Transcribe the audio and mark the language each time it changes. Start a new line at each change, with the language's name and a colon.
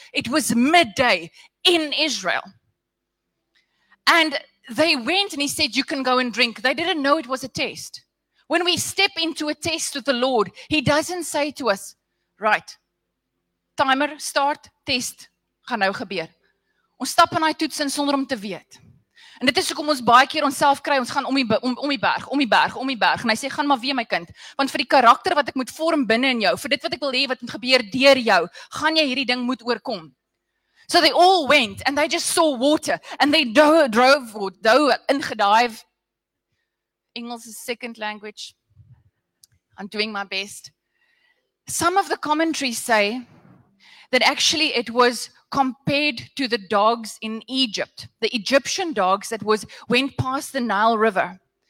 English: It was midday in Israel. And they went and he said, you can go and drink. They didn't know it was a test. When we step into a test with the Lord, he doesn't say to us, right, timer, start, test,
Afrikaans: gaan nou gebeur. Ons stap in die toetsen sonder om te weet. En dit is hoekom ons baie keer onself kry, ons gaan om die berg. En hy sê, gaan maar weer my kind, want vir die karakter wat ek moet vorm binnen in jou, vir dit wat ek wil hê wat moet gebeur deur jou, gaan jy hierdie ding moet oorkom.
English: So they all went and they just saw water and they dove. English is second language. I'm doing my best. Some of the commentaries say that actually it was compared to the dogs in Egypt, the Egyptian dogs that went past the Nile River.